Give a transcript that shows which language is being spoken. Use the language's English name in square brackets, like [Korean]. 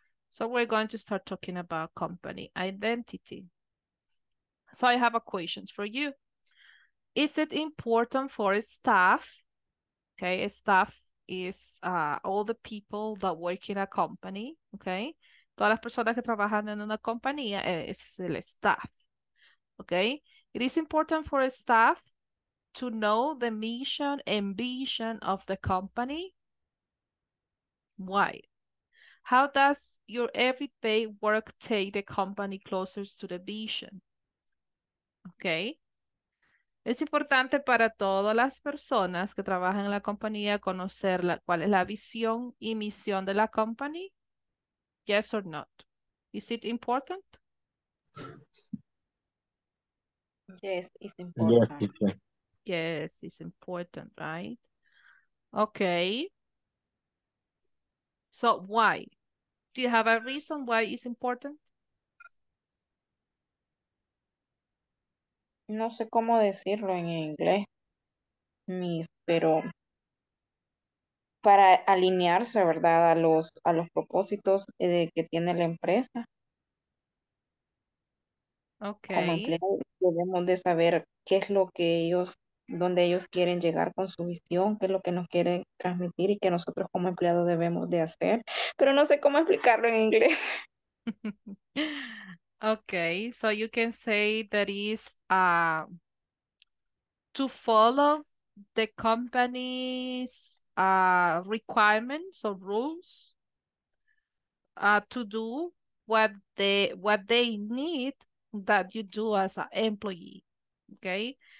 [English] So we're going to start talking about company identity. So I have a question for you. Is it important for staff? Okay, staff is all the people that work in a company, okay? [Spanish] Todas las personas que trabajan en una compañía es el staff, okay? [English] It is important for a staff to know the mission and vision of the company. Why? How does your everyday work take the company closer to the vision? Okay? [Spanish] Es importante para todas las personas que trabajan en la compañía conocer cuál es la visión y misión de la company. [English] Yes or not? Is it important? Yes, it's important. Yes, it's important, right? Okay. So why? Do you have a reason why it's important? [Spanish] No sé cómo decirlo en inglés, Miss, pero para alinearse, ¿verdad?, a los propósitos de que tiene la empresa. [English] Okay. [Spanish] Como empleo, debemos de saber qué es lo que ellos, dónde ellos quieren llegar con su visión, qué es lo que nos quieren transmitir y que nosotros como empleados debemos de hacer. Pero no sé cómo explicarlo en inglés. [English] Okay, so you can say that is to follow the company's requirements or rules to do what they need that you do as an employee, okay?